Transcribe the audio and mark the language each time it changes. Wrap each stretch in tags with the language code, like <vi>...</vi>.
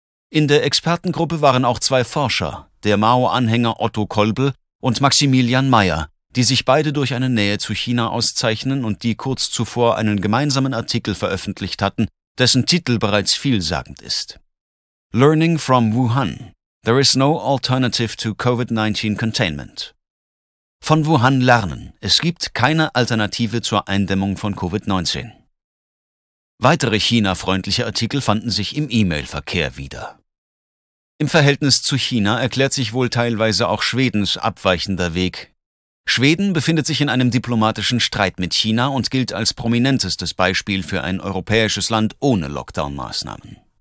<de>In der Expertengruppe waren auch zwei Forscher, der Mao-Anhänger Otto Kolbel und Maximilian Mayer, die sich beide durch eine Nähe zu China auszeichnen und die kurz zuvor einen gemeinsamen Artikel veröffentlicht hatten, dessen Titel bereits vielsagend ist.</de> <en>Learning from Wuhan. There is no alternative to COVID-19 containment.</en> <de>Von Wuhan lernen. Es gibt keine Alternative zur Eindämmung von COVID-19. Weitere China-freundliche Artikel fanden sich im E-Mail-Verkehr wieder. Im Verhältnis zu China erklärt sich wohl teilweise auch Schwedens abweichender Weg. Schweden befindet sich in einem diplomatischen Streit mit China und gilt als prominentestes Beispiel für ein europäisches Land ohne Lockdown-Maßnahmen.</de>